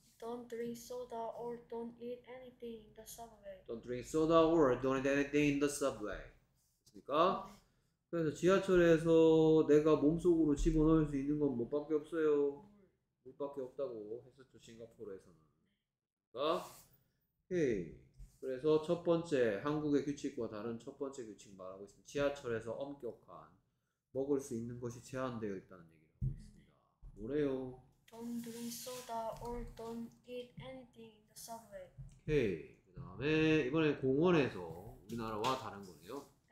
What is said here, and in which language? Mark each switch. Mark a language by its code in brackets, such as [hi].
[en] Don't drink soda or don't eat anything in the subway. Don't drink soda or don't eat anything in the subway. [ko] 그래서 지하철에서 내가 몸속으로 집어넣을 수 있는 건 뭐밖에 없어요? 물밖에 없다고 했었죠, 싱가포르에서는. 그러니까? 오케이. 그래서 첫 번째, 한국의 규칙과 다른 첫 번째 규칙 말하고 있습니다. 지하철에서 엄격한 먹을 수 있는 것이 제한되어 있다는 얘기를 하고 있습니다. 뭐래요? [en] Don't drink soda or don't eat anything in the subway. [ko] 오케이. 그 다음에 이번에 공원에서 우리나라와 다른 거네요.